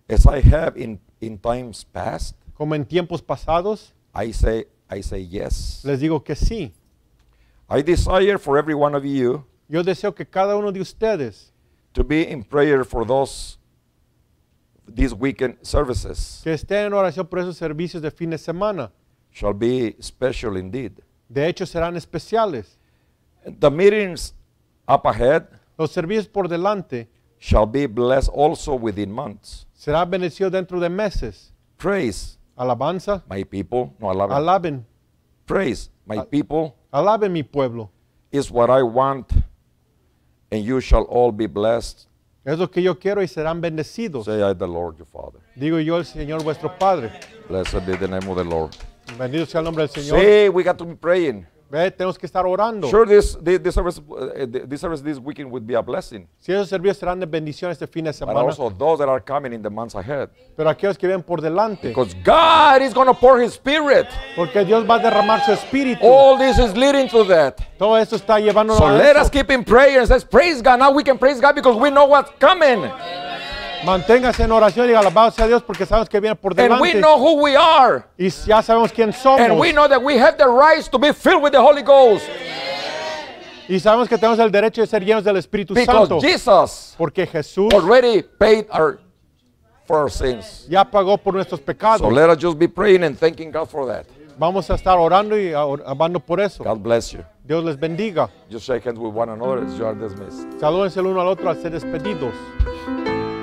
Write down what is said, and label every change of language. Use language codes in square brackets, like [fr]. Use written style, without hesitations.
[en] As I have in times past? [es] Como en tiempos pasados? [en] I say yes. [es] Les digo que sí. [en] I desire for every one of you. [es] Yo deseo que cada uno de ustedes. [en] To be in prayer for these weekend services. [es] Que esté en oración por esos servicios de fin de semana. [en] Shall be special indeed. [es] De hecho serán especiales. [en] The meetings up ahead. [es] Los servicios por delante [en] shall be blessed also within months. [es] Será bendecido dentro de meses. [en] Praise. [es] Alabanza. [en] My people. [es] No, alaben. Alaben. [en] Praise. My people. [es] Alaben, mi pueblo. [en] Is what I want and you shall all be blessed. [es] Es lo que yo quiero y serán bendecidos. [en] Say I the Lord your Father. [es] Digo yo el Señor vuestro Padre. [en] Blessed be the name of the Lord. [es] Bendito sea el nombre del Señor. [en] See, we got to be praying. [es] Ve, tenemos que estar orando. [en] Sure, this service this weekend would be a blessing. [es] Si esos servicios serán de bendición este fin de semana. [en] But also those that are coming in the months ahead. [es] Pero aquellos que vienen por delante. [en] Because God is going to pour His Spirit. [es] Porque Dios va a derramar su Espíritu. [en] All this is leading to that. [es] Todo esto está llevando [en] a eso. So let us keep in prayer and says, praise God. Now we can praise God because we know what's coming. [es] Manténgase en oración y alabado sea Dios porque sabemos que viene por delante. [en] And we know who we are. [es] Y ya sabemos quién somos. [en] And we know that we have the right to be filled with the Holy Ghost. [es] Y sabemos que tenemos el derecho de ser llenos del Espíritu Santo. [en] Because Jesus, [es] porque Jesús, [en] already paid for our sins. [es] Ya pagó por nuestros pecados. [en] So let us just be praying and thanking God for that. [es] Vamos a estar orando y alabando por eso. [en] God bless you. [es] Dios les bendiga. [en] Just shake hands with one another as you are dismissed. [es] Salúdense el uno al otro al ser despedidos.